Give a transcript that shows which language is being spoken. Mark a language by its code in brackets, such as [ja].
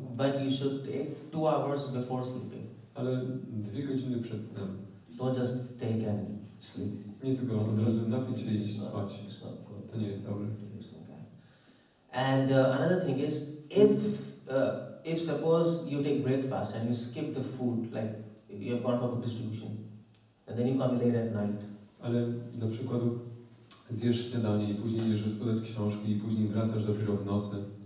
[en] But you should take 2 hours before sleeping. [pl] Ale 2 godziny przed snem. [en] Don't just take and sleep. [pl] Nie tylko od razu napić się i spać. To nie jest dobre. [en] And another thing is, if suppose you take breakfast and you skip the food, like you have gone for book distribution, and then you come late at night. [pl] Ale na przykład zjesz śniadanie i później idziesz rozkładać książki i później wracasz dopiero w nocy.